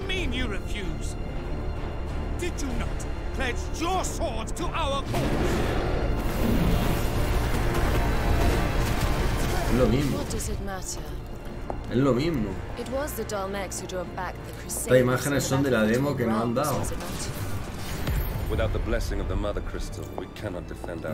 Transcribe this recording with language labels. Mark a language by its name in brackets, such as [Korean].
[English] You refuse. Did you not pledge your sword to our cause? [Spanish] Lo mismo. [English] What does it matter? [Spanish] Es lo mismo. [English] It was the Dalmex who drove back the [Spanish] Estas imágenes son de la demo que nos han dado. [English] Without the blessing of the Mother Crystal, we cannot defend our